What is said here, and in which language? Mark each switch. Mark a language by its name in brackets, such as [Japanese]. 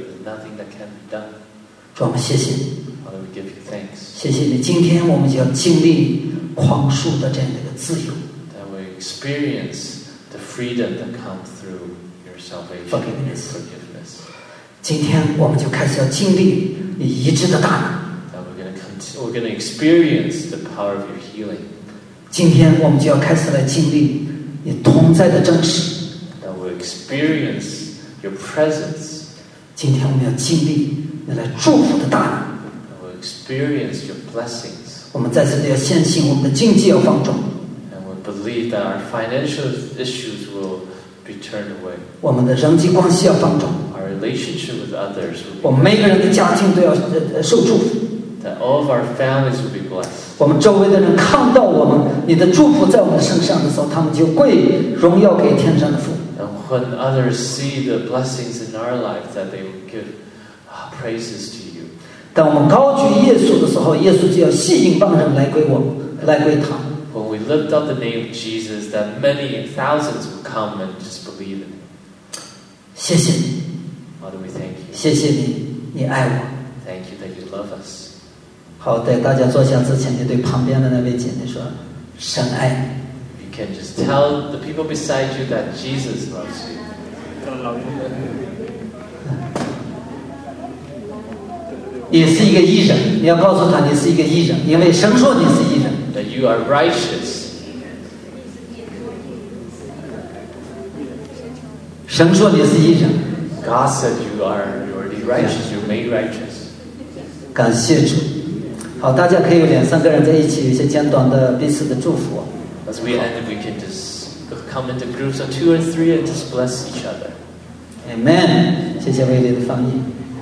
[English] There's nothing that can be done. [Chinese] 主，我们谢谢你。 [English] Father, we give you thanks. [Chinese] 谢谢你。今天我们就要经历宽恕的这样的一个自由。 [English] That we experience the freedom that comes through your salvation. Forgiveness. [Chinese] 今天我们就开始要经历你医治的大能。 [English] That we're gonna experience the power of your healing. [Chinese] 今天我们就要开始来经历你同在的真实。 [English] That we experience. Your presence. [Chinese] 今天我们要经历你来祝福的大能。 [English] We'll experience your blessings. [Chinese] 我们再次要相信我们的经济要放纵。 [English] And we believe that our financial issues will be turned away. [Chinese] 我们的人际关系要放纵。 [English] Our relationship with others. [Chinese] 我们每个人的家庭都要受祝福。 [English] That all of our families will be blessed. [Chinese] 我们周围的人看到我们你的祝福在我们身上的时候，他们就归荣耀给天上的父。 [English] When others see the blessings in our life, that they will give praises to you. [Chinese] 当我们高举耶稣的时候，耶稣就要吸引万人来归我，来归他。 [English] When we lift up the name of Jesus, that many thousands will come and just believe in him. [Chinese] 谢谢你。 [English] Father, we thank you. [Chinese] 谢谢你，你爱我。 [English] Thank you that you love us. [Chinese] 好，在大家坐下之前，你对旁边的那位姐妹说：“神爱你。” [English] You can just tell the people beside you that Jesus loves you. [Chinese] 你是一个义人，你要告诉他你是一个义人，因为神说你是义人。 [English] That you are righteous. [Chinese] 神说你是义人。 [English] God said you are already righteous. You're made righteous. [Chinese] 感谢主。好，大家可以有两三个人在一起，有些简短的彼此的祝福。 [English] As we end, we can just come into groups of two or three and just bless each other. [Chinese] Amen. 谢谢威廉的翻译。